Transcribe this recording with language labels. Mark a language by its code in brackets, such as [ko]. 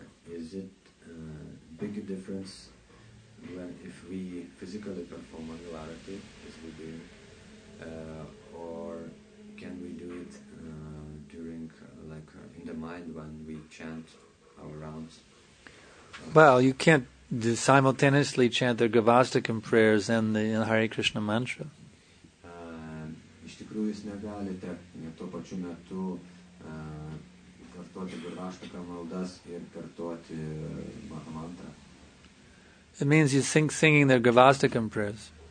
[en] Is it big difference when if we physically perform mangalarati as we do, or can we do it during like in the mind when we chant our rounds? Well, you can't do simultaneously chant the Gavastakam prayers and the Hare Krishna mantra. [lt] Iš tikrųjų jūs negalite tuo pačiu metu kartuoti Gurvaštaką maldas ir kartuoti mantrą. [en] It means you think singing the Gurvaštakam prayers.